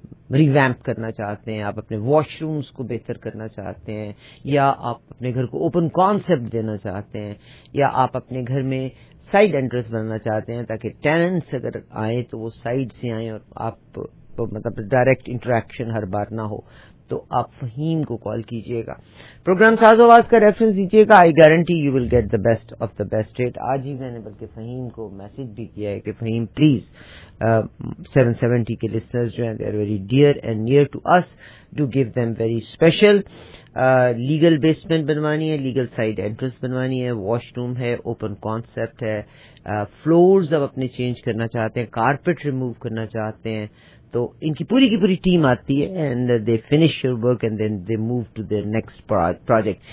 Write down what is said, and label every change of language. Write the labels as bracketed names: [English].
[Urdu] Revamp کرنا چاہتے ہیں, آپ اپنے واش رومز کو بہتر کرنا چاہتے ہیں, یا آپ اپنے گھر کو اوپن کانسیپٹ دینا چاہتے ہیں, یا آپ اپنے گھر میں سائڈ انٹرنس بنانا چاہتے ہیں تاکہ ٹیننٹس اگر آئیں تو وہ سائڈ سے آئیں اور آپ مطلب ڈائریکٹ انٹریکشن ہر بار نہ ہو, تو آپ فہیم کو کال کیجئے گا. پروگرام ساز آواز کا ریفرنس دیجئے گا. [English] I guarantee you will get the best of the best rate. [Urdu] آج ہی میں نے بلکہ فہیم کو میسج بھی کیا ہے کہ فہیم پلیز 770 کے لسنرز جو ہیں, [English] they are very dear and near to us, [Urdu] to give them very special legal basement بنوانی ہے, لیگل سائڈ انٹرنس بنوانی ہے, واش روم ہے, اوپن کانسیپٹ ہے, فلورز اب اپنے چینج کرنا چاہتے ہیں, کارپیٹ ریموو کرنا چاہتے ہیں, تو ان کی پوری ٹیم آتی ہے [English] And they finish your work and then they move to their next project.